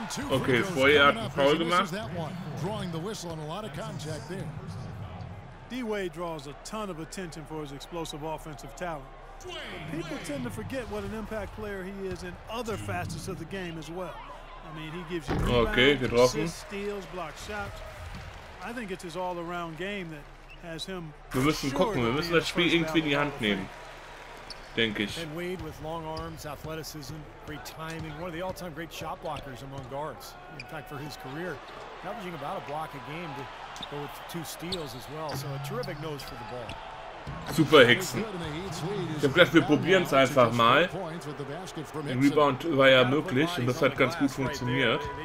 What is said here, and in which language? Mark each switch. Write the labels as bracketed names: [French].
[German] Okay, vorher hat einen Foul gemacht. [English] Drawing the whistle on a lot of contact there. D-Wade draws a ton of attention for his explosive offensive talent. People tend to forget what an impact player he is in other facets of the game as well. I mean, he gives you rebounds, assists, steals, block shots. I think it's his all-around game that has him. [German] Wir müssen gucken, wir müssen das Spiel irgendwie in die Hand nehmen, denke ich. [English] And Wade with long arms, athleticism, great timing, one of the all-time great shot blockers among guards. In fact, for his career, averaging about a block a game to go with 2 steals as well. So a terrific nose for the ball. [German] Super Hexen. Ich hab gedacht, wir probieren es einfach mal. Ein Rebound war ja möglich und das hat ganz gut funktioniert.